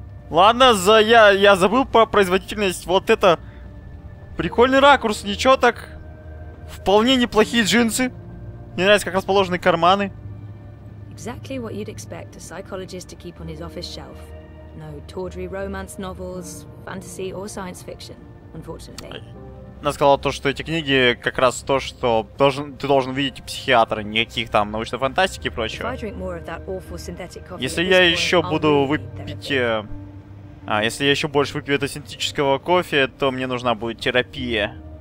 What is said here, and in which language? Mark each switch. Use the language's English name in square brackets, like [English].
[Russian] Ладно, я забыл про производительность. Вот это... Прикольный ракурс, ничего так. Вполне неплохие джинсы. Мне нравится, как расположены карманы. [English] Exactly what you'd expect a psychologist to keep on his office shelf. No tawdry romance novels, fantasy or science fiction, unfortunately. [Russian] Она сказала то, что эти книги как раз то, что ты должен видеть психиатра, не каких там научной фантастики и прочего. Если я еще больше выпью этого синтетического кофе, то мне нужна будет терапия.